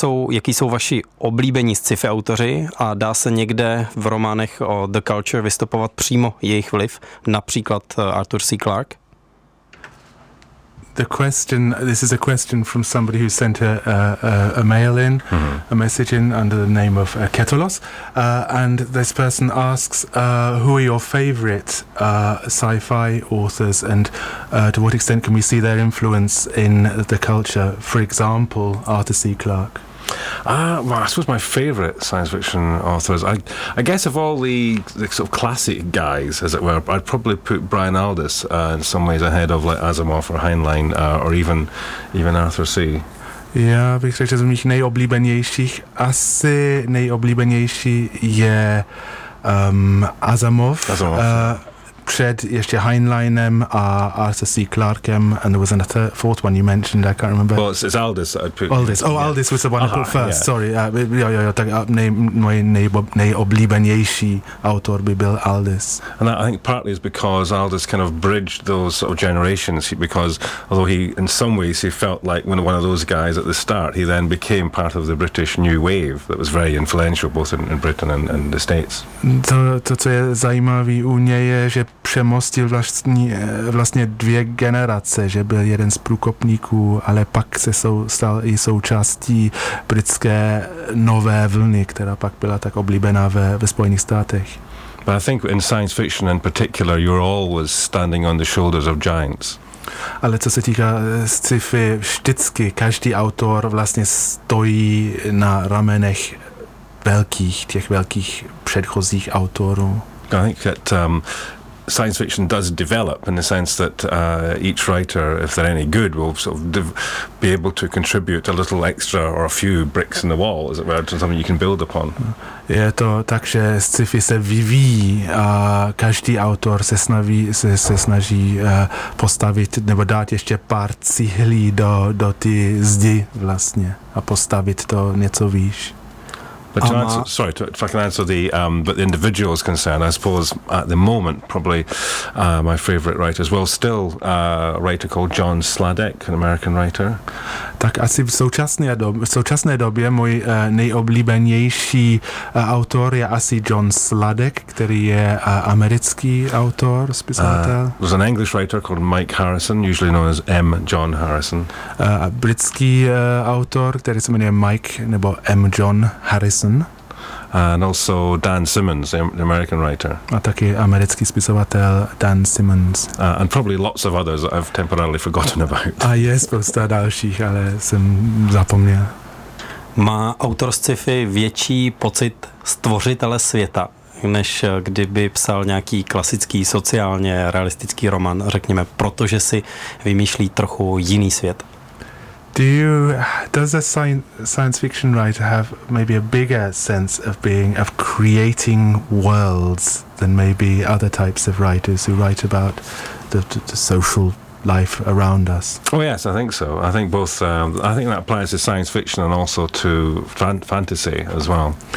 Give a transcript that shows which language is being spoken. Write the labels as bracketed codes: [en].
[cs] Jaký jsou vaši oblíbení sci-fi autoři a dá se někde v románech o The Culture vystupovat přímo jejich vliv, například Arthur C. Clarke? [en] This is a question from somebody who sent a mail in, mm-hmm. a message in under the name of Ketolos, and this person asks, who are your favorite sci-fi authors, and to what extent can we see their influence in the culture, for example, Arthur C. Clarke? Well, I suppose my favourite science fiction authors, I guess of all the sort of classic guys, as it were, I'd probably put Brian Aldiss in some ways ahead of like Asimov or Heinlein or even Arthur C. [cs] Já bych řekl, že z mých nejoblíbenějších, asi nejoblíbenější je Asimov. Před ještě Heinleinem a Arthur C. [en] Clarkem, and there was another fourth one you mentioned, I can't remember. Well, it's Aldiss that I'd put. Aldiss. Oh, yeah. Aldiss was the one I put first, yeah. Sorry. [cs] Nejoblíbenější autor by byl Aldiss. [en] And that, I think, partly is because Aldiss kind of bridged those sort of generations, because although he, in some ways, he felt like one of those guys at the start, he then became part of the British New Wave that was very influential, both in Britain and the States. [cs] To, co je zajímavé u něj, je, že přemostil vlastně dvě generace, že byl jeden z průkopníků, ale pak se stal i součástí britské nové vlny, která pak byla tak oblíbená ve Spojených státech. [en] But I think in science fiction in particular, you're always standing on the shoulders of giants. [cs] Ale co se týká sci-fi, vždycky každý autor vlastně stojí na ramenech těch velkých předchozích autorů. [en] I think that science fiction does develop in the sense that each writer, if they're any good, will sort of be able to contribute a little extra or a few bricks in the wall, as it were, to something you can build upon. [cs] Je to tak, že sci-fi se vyvíjí a každý autor se snaží postavit nebo dát ještě pár cihlí do ty zdi vlastně a postavit to něco výš. [en] But to answer, sorry, if I can answer the individual's concern, I suppose at the moment probably my favourite writer as well, still a writer called John Sladek, an American writer. [cs] Tak asi v současné době můj nejoblíbenější autor je asi John Sladek, který je americký autor, spisovatel. [en] There's an English writer called Mike Harrison, usually known as M. John Harrison. [cs] Britský autor, který se jmenuje Mike nebo M. John Harrison. [en] And also Dan Simmons, the American writer. [cs] A taky americký spisovatel Dan Simmons. [en] And probably lots of others that I've temporarily forgotten about. [cs] A je spousta dalších, ale jsem zapomněl. Má autor sci-fi větší pocit stvořitele světa, než kdyby psal nějaký klasický sociálně realistický román, řekněme, protože si vymýšlí trochu jiný svět? [en] Does a science fiction writer have maybe a bigger sense of being, of creating worlds than maybe other types of writers who write about the social life around us? Oh yes, I think so. I think both, I think that applies to science fiction and also to fantasy as well.